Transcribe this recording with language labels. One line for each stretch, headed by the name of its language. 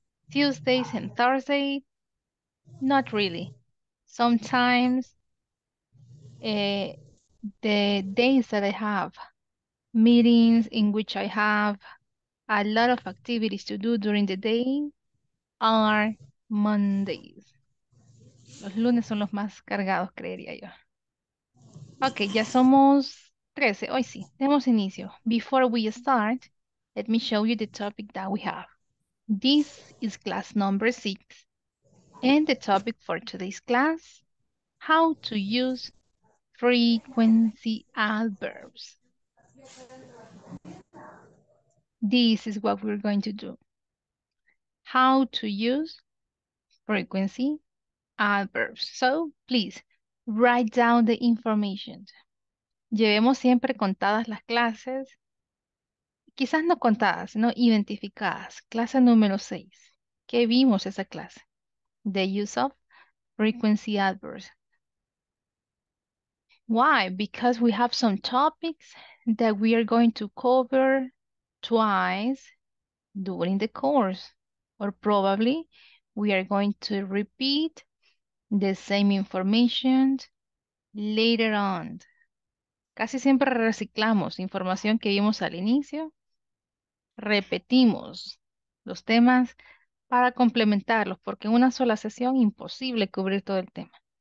English: Tuesdays and Thursdays, not really. Sometimes, the days that I have meetings in which I have a lot of activities to do during the day are Mondays.
Spanish: Los lunes son los más cargados, creería yo. Okay, ya somos 13. Hoy sí, demos inicio.
English: Before we start, let me show you the topic that we have. This is class number 6, and the topic for today's class, how to use frequency adverbs. This is what we're going to do. How to use frequency adverbs. So, please write down the information.
Spanish: Llevemos siempre contadas las clases, quizás no contadas, sino identificadas. Clase número 6. ¿Qué vimos esa clase?
English: The use of frequency adverbs. Why? Because we have some topics that we are going to cover twice during the course, or probably we are going to repeat the same information later on.
Spanish: Casi siempre reciclamos información que vimos al inicio. Repetimos los temas para complementarlos, porque en una sola sesión imposible cubrir todo el tema.